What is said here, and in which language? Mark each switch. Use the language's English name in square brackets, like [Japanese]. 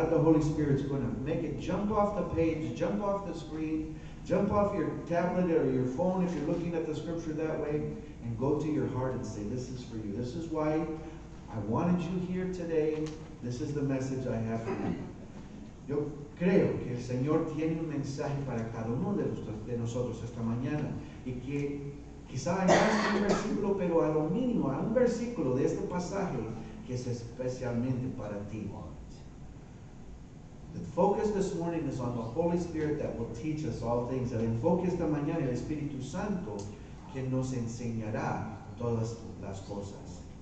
[English] off the page, jump off the screen, jump off your tablet or your phone if you're looking at the scripture that way, and go to your heart and say, this is for you. This is why I wanted you here today. This is the message I have for you. [Spanish] Yo creo que el Señor tiene un mensaje para cada uno de nosotros esta mañana, y que quizá hay más que un versículo, pero a lo mínimo, a un versículo de este pasaje que es especialmente para ti. [English] The focus this morning is on the Holy Spirit that will teach us all things. [Spanish] El enfoque esta mañana es el Espíritu Santo que nos enseñará todas las cosas.